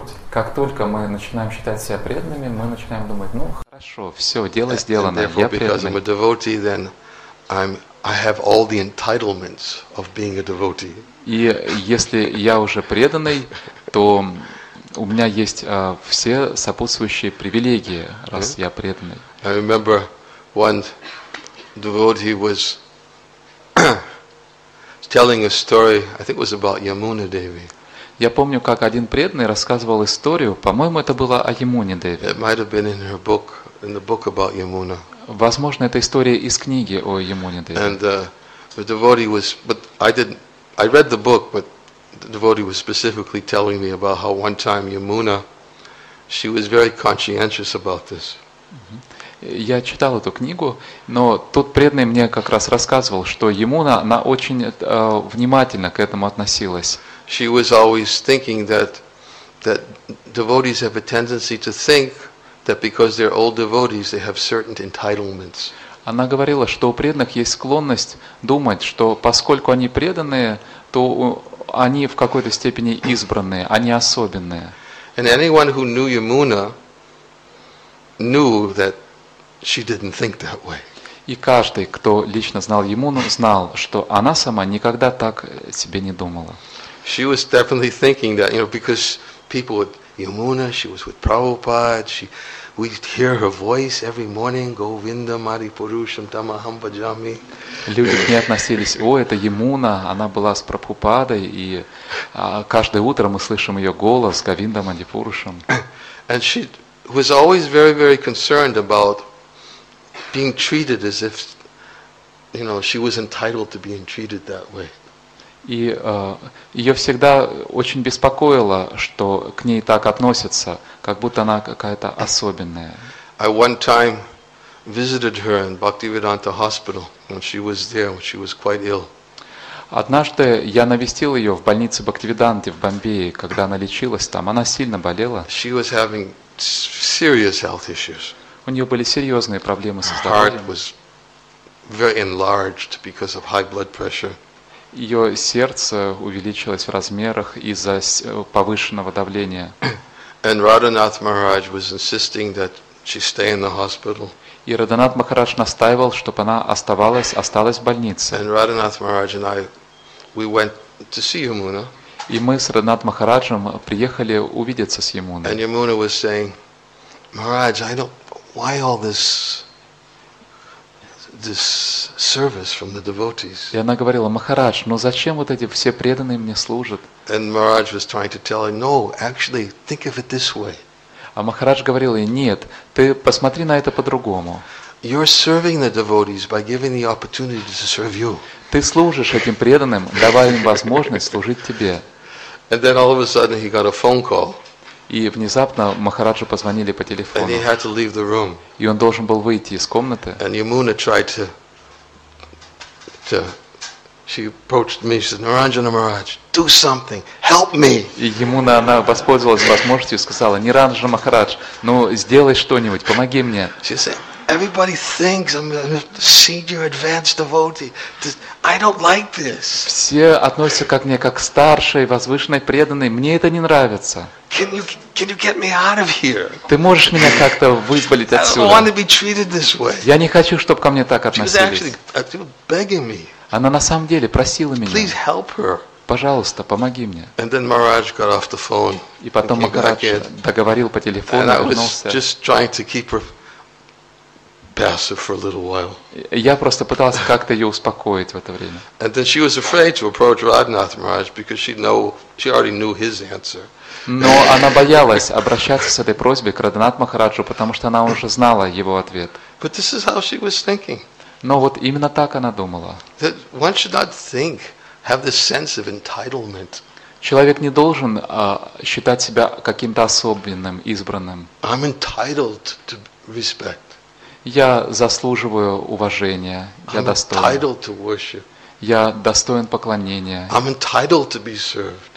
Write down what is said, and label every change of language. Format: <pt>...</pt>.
<ru>Как только мы начинаем считать себя преданными, мы начинаем думать, ну, хорошо, все, дело сделано, я преданный.</ru> <en>Devotee,</en> <ru>и если я уже преданный, то у меня есть все сопутствующие привилегии, раз я преданный.</ru> <en>I remember one devotee was telling a story, I think it was about Yamuna Devi.</en> <ru>Я помню, как один преданный рассказывал историю, по-моему, это было о Ямуне Деви.</ru> <en>It might have been in her book, in the book about Yamuna.</en> <ru>Возможно, это история из книги о Ямуне Деви.</ru> <en>And the devotee was, but I didn't, I read the book, but the devotee was specifically telling me about how one time Yamuna, she was very conscientious about this.</en> <ru>Я читал эту книгу, но тот преданный мне как раз рассказывал, что Ямуна, она очень внимательно к этому относилась.</ru> <en>She was always thinking that devotees have a tendency to think that because they're old devotees they have certain entitlements.</en> <ru>Она говорила, что у преданных есть склонность думать, что поскольку они преданные, то они в какой-то степени избранные, они особенные.</ru> <en>And anyone who knew Yamuna knew that She didn't think that way.</en> <ru>И каждый, кто лично знал Емуну, знал, что она сама никогда так себе не думала.</ru> <en>She was definitely thinking that, you know, because people would Емуна, she was with Prabhupada, she we'd hear her voice every morning,</en> <sa>Govinda Mari Purusham Tamaham Bhajami.</sa> <ru>Люди к ней относились, о, это Емуна, она была с Прабхупадой, и каждое утро мы слышим ее голос,</ru> <sa>Говинда Мари Пурушам.</sa> <en>And she was always very, very concerned about being treated as if, you know, she was entitled to being treated that way.</en> <ru>И ее всегда очень беспокоило, что к ней так относятся, как будто она какая-то особенная.</ru> <en>I one time visited her in Bhaktivedanta Hospital when she was there, when she was quite ill.</en> <ru>Однажды я навестил ее в больнице Бхактивиданте в Бомбее, когда она лечилась там. Она сильно болела.</ru> <en>She was having serious health issues.</en> <ru>У нее были серьезные проблемы со здоровьем.</ru> <en>Her heart was very enlarged because of high blood pressure.</en> <ru>Ее сердце увеличилось в размерах из-за повышенного давления.</ru> <en>And Radhanath Maharaj was insisting that she stay in the hospital.</en> <ru>И Радханат Махарадж настаивал, чтобы она осталась в больнице.</ru> <en>And Radhanath Maharaj and I, we went to see Yamuna.</en> <ru>И мы с Радханат Махараджем приехали увидеться с Ямуной.</ru> <en>And Yamuna was saying, Maharaj, I don't, why all this? This service from the devotees.</en> <ru>И она говорила: Махарадж, ну зачем вот эти все преданные мне служат?</ru> <en>And Maharaj was trying to tell her, no, actually, think of it this way.</en> <ru>А Махарадж говорил ей: нет, ты посмотри на это по-другому.</ru> <en>You're serving the devotees by giving the opportunity to serve you.</en> <ru>Ты служишь этим преданным, давая им возможность служить тебе.</ru> <en>And then all of a sudden he got a phone call.</en> <ru>И внезапно Махараджу позвонили по телефону. И он должен был выйти из комнаты.</ru> <en>And Yamuna tried to, she approached me, she said, Niranjana Maharaj, do something, help me.</en> <ru>И Yamuna, она воспользовалась возможностью и сказала, Niranjana Maharaj, ну сделай что-нибудь, помоги мне.</ru> <en>She said, everybody thinks I'm a senior advanced devotee. I don't like this.</en> <ru>Все относятся ко мне как старшей, возвышенной, преданной. Мне это не нравится.</ru> <en>Can you get me out of here?</en> <ru>Ты можешь меня как-то вызволить отсюда?</ru> <en>I don't want to be treated this way.</en> <ru>Я не хочу, чтобы ко мне так относились.</ru> <en>She was begging me.</en> <ru>Она на самом деле просила меня.</ru> <en>Please help her.</en> <ru>Пожалуйста, помоги мне.</ru> <en>And then Maharaj got off the phone.</en> <ru>И потом Махарадж договорил по телефону.</ru> <en>And I was just trying to keep her passive for a little while.</en> <ru>Я просто пытался как-то ее успокоить в это время.</ru> <en>And then she was afraid to approach Radhanath Maharaj because she already knew his answer.</en> <ru>Но она боялась обращаться с этой просьбой к Радханат Махараджу, потому что она уже знала его ответ.</ru> <en>But this is how she was thinking.</en> <ru>Но вот именно так она думала.</ru> <en>That one should not think, have this sense of entitlement.</en> <ru>Человек не должен считать себя каким-то особенным, избранным.</ru> <en>I'm entitled to respect.</en> <ru>Я заслуживаю уважения, я достоин. Я достоин поклонения.</ru> <en>I'm entitled to be served.</en>